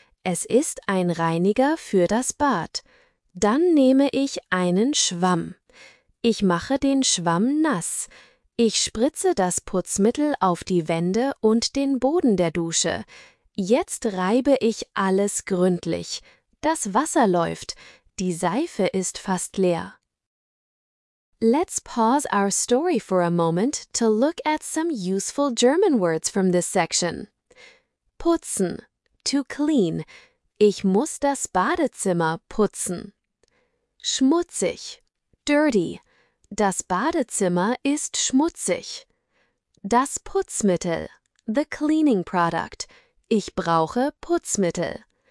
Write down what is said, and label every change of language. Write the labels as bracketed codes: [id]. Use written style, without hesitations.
[de] Es ist ein Reiniger für das Bad. Dann nehme ich einen Schwamm. Ich mache den Schwamm nass. Ich spritze das Putzmittel auf die Wände und den Boden der Dusche. Jetzt reibe ich alles gründlich. Das Wasser läuft. Die Seife ist fast leer. [en] Let's pause our story for a moment to look at some useful German words from this section. Putzen. To clean. [de] Ich muss das Badezimmer putzen. Schmutzig. Dirty. Das Badezimmer ist schmutzig. Das Putzmittel. [en] The cleaning product. [de] Ich brauche Putzmittel.